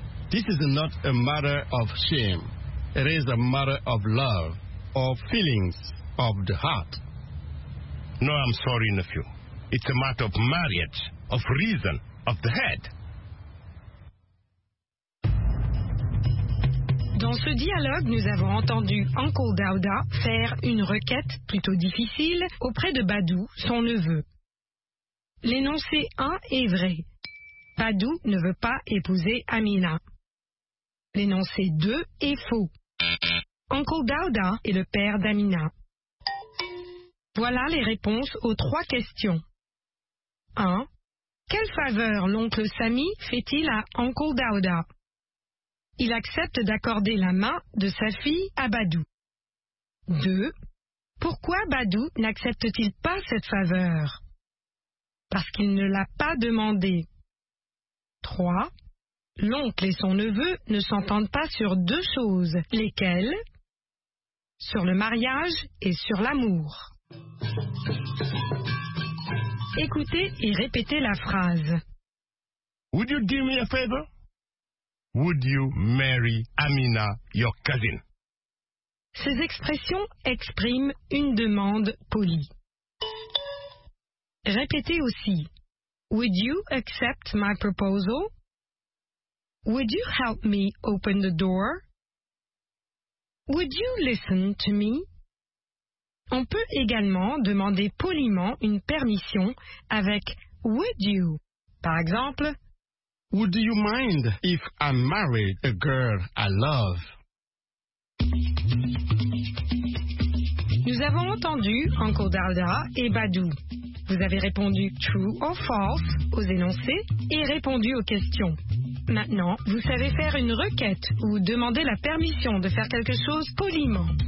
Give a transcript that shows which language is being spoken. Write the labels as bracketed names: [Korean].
[English] This is not a matter of shame. It is a matter of love, of feelings, of the heart. No, I'm sorry, nephew. It's a matter of marriage, of reason, of the head. [French] Dans ce dialogue, nous avons entendu Uncle Dauda faire une requête plutôt difficile auprès de Badou, son neveu. L'énoncé 1 est vrai. Badou ne veut pas épouser Amina. L'énoncé 2 est faux. Uncle Dauda est le père d'Amina. Voilà les réponses aux trois questions. 1. Quelle faveur l'oncle Sami fait-il à Uncle Dauda? Il accepte d'accorder la main de sa fille à Badou. 2. Pourquoi Badou n'accepte-t-il pas cette faveur? Parce qu'il ne l'a pas demandé. 3. L'oncle et son neveu ne s'entendent pas sur deux choses. Lesquelles? Sur le mariage et sur l'amour. Écoutez et répétez la phrase. [English] Would you do me a favor? Would you marry Amina, your cousin? [French] Ces expressions expriment une demande polie. Répétez aussi. [English] Would you accept my proposal? Would you help me open the door? Would you listen to me? [French] On peut également demander poliment une permission avec would you. Par exemple, [English] would you mind if I married a girl I love? [French] Nous avons entendu Uncle Dauda et Badou. Vous avez répondu true or false aux énoncés et répondu aux questions. Maintenant, vous savez faire une requête ou demander la permission de faire quelque chose poliment.